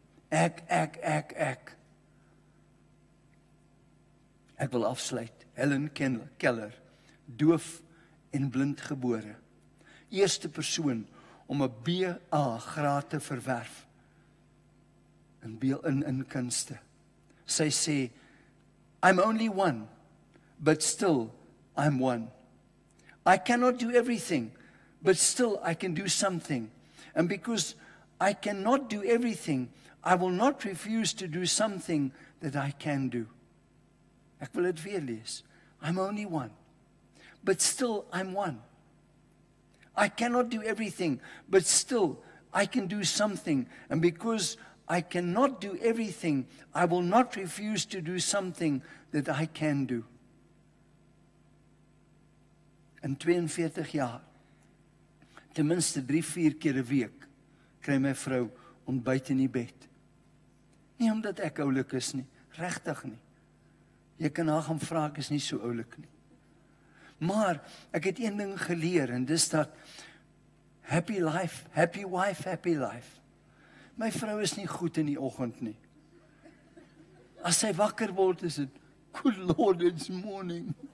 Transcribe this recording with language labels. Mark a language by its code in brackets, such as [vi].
[af] Ek. Ek wil afsluit. Helen Keller, doof en blind gebore. Eerste persoon om 'n BA graad te verwerf. In kunste. Sy sê, [en] I'm only one, but still I'm one. I cannot do everything, but still I can do something. And because I cannot do everything, I will not refuse to do something that I can do. [af] Ek wil het weer lees. [en] I'm only one, but still I'm one. I cannot do everything, but still I can do something. And because I cannot do everything, I will not refuse to do something that I can do. [af] In 42 jaar, tenminste 3-4 keer een week, kry my vrou ontbyt in die bed. Nie omdat ek oulik is nie, regtig nie. Jy kan haar gaan vraag, is nie so oulik nie. Maar, ek het een ding geleer, en dis dat, [en] happy life, happy wife, happy life. [af] My vrou is nie goed in die oggend nie. As sy wakker word, is het, [en] good Lord, it's morning.